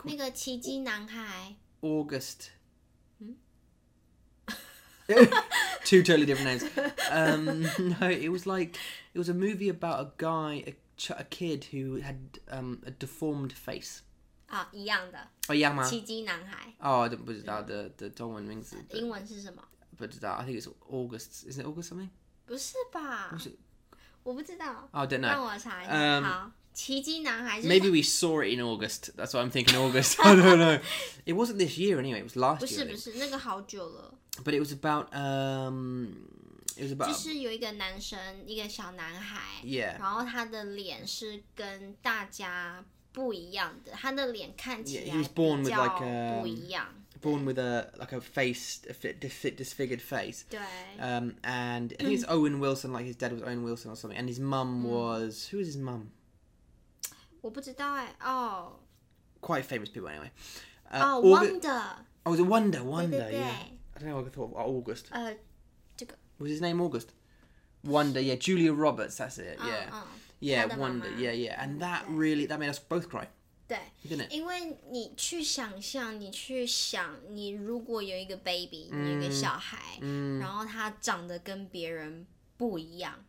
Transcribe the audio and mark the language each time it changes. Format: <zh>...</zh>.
<zh>那个奇迹男孩</zh> <en>August. Two totally different names. No, it was like it was a movie about a guy, a kid who had a deformed face.</en> <zh>一样的。哦，一样吗？奇迹男孩。哦，我不知道的中文名字。英文是什么？不知道</zh> <en>，I think it's August. Is it August something?</en> <zh>不是吧？不是，我不知道。</zh> <en>Oh, I don't know.</en> <zh>让我查一下。好，奇迹男孩。</zh> <en>Maybe we saw it in August. That's what I'm thinking. August. I don't know. It wasn't this year anyway. It was last year.</en> <zh>不是，那个好久了。</zh> <en>But it was about It was about</en> <zh>就是有一个男生，一个小男孩。</zh> <en>Yeah.</en> <zh>然后他的脸是跟大家。不一样的，他的脸看起来比较不一样。</zh> <en>Yeah, like born with a disfigured face.</en> <zh>对。</zh> <en>And I think it's Owen Wilson, like his dad was Owen Wilson or something. And his mum was... Who was his mum?</en> <zh>我不知道耶。</zh> <en>Oh. Quite famous people anyway. Wanda. Oh, was it Wanda? Wanda,</en> <zh>对对对</zh> <en>yeah. I don't know what I thought of. August.</en> <zh>这个...</zh> <en>Was his name August? Wanda, yeah. Julia Roberts, that's it, yeah. Yeah, Wanda, yeah, yeah. And that really, that made us both cry.</en> <zh>对</zh> <en>didn't it?</en> <zh>因为你去想象，你去想，你如果有一个 baby, 有一个小孩，然后他长得跟别人不一样。</zh>